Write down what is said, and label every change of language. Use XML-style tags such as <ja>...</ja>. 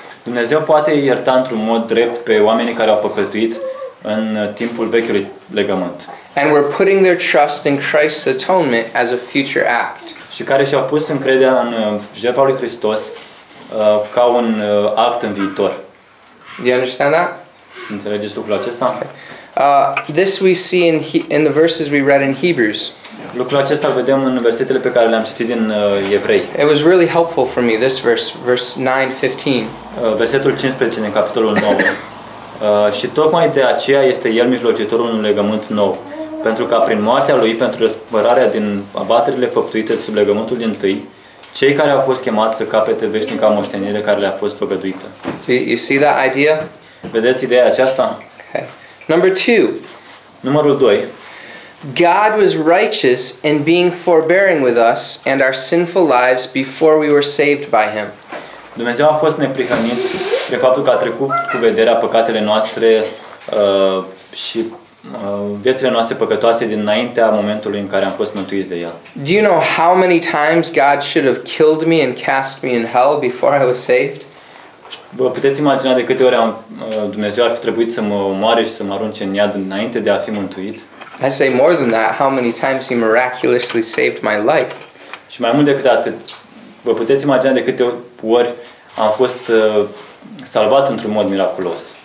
<ro>Dumnezeu poate ierta într-un mod drept pe oamenii care au păcătuit în timpul vechiului legământ.</ro> <en>And we're putting their trust in Christ's atonement as a future act.</en> <ro>Și care și-au pus încrederea în jertfa lui Hristos ca un act în viitor.</ro> <en>Do you understand that?</en> <ro>Înțelegeți lucrul acesta?</ro> <en>Okay. This we see in the verses we read in Hebrews.</en> <ro>Lucrul acesta îl vedem în versetele pe care le-am citit din Evrei.</ro> <en>It was really helpful for me this verse 9:15.</en> <ro>Versetul 15 din capitolul 9. Și tocmai de aceea este el mijlocitorul unui legământ nou, pentru ca prin moartea lui, pentru răspărarea din abaterile făptuite sub legământul din tâi, cei care au fost chemați să capete veșnica moștenire care le-a fost făgăduită.</ro> <en>You see that idea?</en> <ro>Vedeți ideea aceasta?</ro> <en>Okay. Number two.</en> <ro>Numărul 2.</ro> <en>God was righteous in being forbearing with us and our sinful lives before we were saved by him.</en> <ro>Dumnezeu a fost neprihănit de faptul că a trecut cu vederea păcatele noastre și viețile noastre păcătoase dinaintea momentului în care am fost mântuiți de el.</ro> <en>Do you know how many times God should have killed me and cast me in hell before I was saved?</en> <ro>Vă puteți imagina de câte ori Dumnezeu ar fi trebuit să mă omoare și să mă arunce în iad înainte de a fi mântuit?</ro> <en>I say more than that, how many times he miraculously saved my life?</en> <ro>Și mai mult decât atât, vă puteți imagina de câte ori am fost salvat într-un mod miraculos?</ro>